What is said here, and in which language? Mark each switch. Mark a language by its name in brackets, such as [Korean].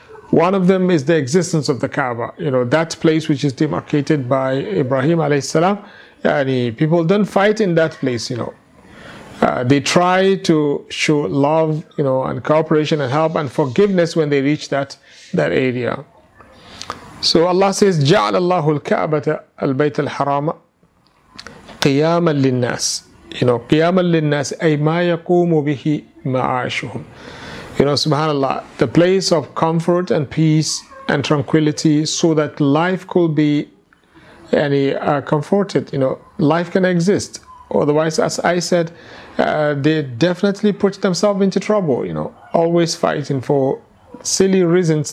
[English] One of them is the existence of the Kaaba, you know, that place which is demarcated by Ibrahim alayhi salam. And people don't fight in that place, you know. They try to show love, you know, and cooperation and help and forgiveness when they reach that area. So Allah says, [Arabic] جَعْلَ اللَّهُ الْكَعْبَةَ الْبَيْتَ الْحَرَامَ قِيَامًا لِلنَّاسِ. [English] You know, [Arabic] قِيَامًا لِلنَّاسِ أَيْ مَا يَقُومُ بِهِ مَعَاشُهُمْ. [English] You know, subhanAllah, the place of comfort and peace and tranquility so that life could be comforted. You know, life can exist. Otherwise, as I said, they definitely put themselves into trouble, you know, always fighting for silly reasons.